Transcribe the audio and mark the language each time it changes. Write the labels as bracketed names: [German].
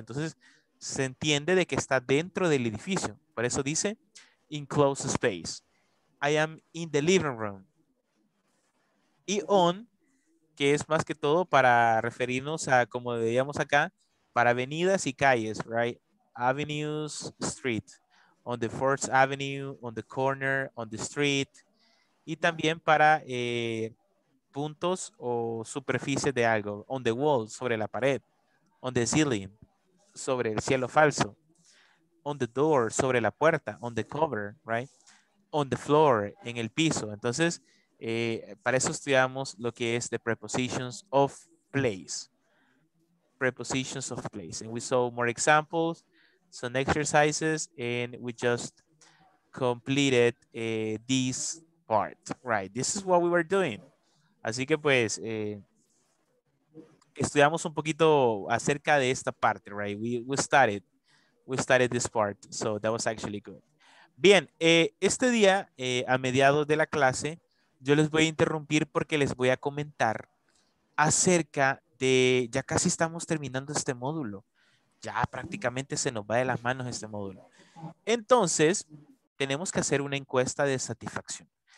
[Spanish] Entonces, se entiende de que está dentro del edificio. Por eso dice, [English] enclosed space. I am in the living room. [Spanish] Y on, que es más que todo para referirnos a, como veíamos acá, para avenidas y calles, right? [English] Avenues, street. On the 4th Avenue, on the corner, on the street. [Spanish] Y también para puntos o superficies de algo. [English] On the wall, [Spanish] sobre la pared. [English] On the ceiling, [Spanish] sobre el cielo falso. [English] On the door, [Spanish] sobre la puerta. [English] On the cover, right? On the floor, [Spanish] en el piso. Entonces, para eso estudiamos lo que es the prepositions of place. [English] Prepositions of place. And we saw more examples, some exercises, and we just completed this part, right? This is what we were doing. [Spanish] Así que pues estudiamos un poquito acerca de esta parte, right? [English] We started this part, so that was actually good. [Spanish] Bien, este día a mediados de la clase yo les voy a interrumpir porque les voy a comentar acerca de, ya casi estamos terminando este módulo, ya prácticamente se nos va de las manos este módulo. Entonces tenemos que hacer una encuesta de satisfacción.